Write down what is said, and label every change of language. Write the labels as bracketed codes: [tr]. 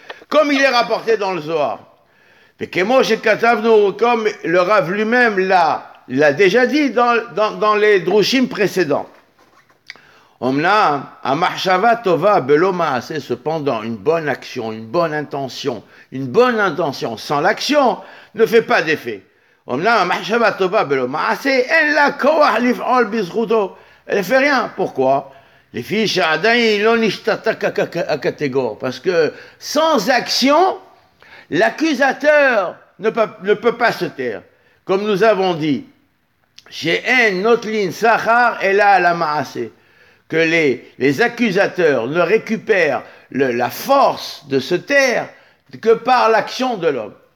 [fr] Comme il est rapporté dans le Zohar. Mais [he] Kemo Shekatavnu, [fr] comme le Rav lui-même l'a déjà dit dans les Drushim précédents. [he] אמנם המחשבה טובה בלא מעשה, [fr] cependant une bonne action, une bonne intention sans l'action ne fait pas d'effet. [he] אמנם המחשבה טובה בלא מעשה, אין לה כוח לפעול בזכותו. [fr] Elle ne fait rien. Pourquoi? [he] לפי שעדיין לא נשתתק הקטגור. [fr] Parce que sans action, l'accusateur ne peut pas se taire. Comme nous avons dit, [he] שאין נוטלין שכר אלא על המעשה. [fr] Que les accusateurs ne récupèrent la force de se taire que par l'action de l'homme.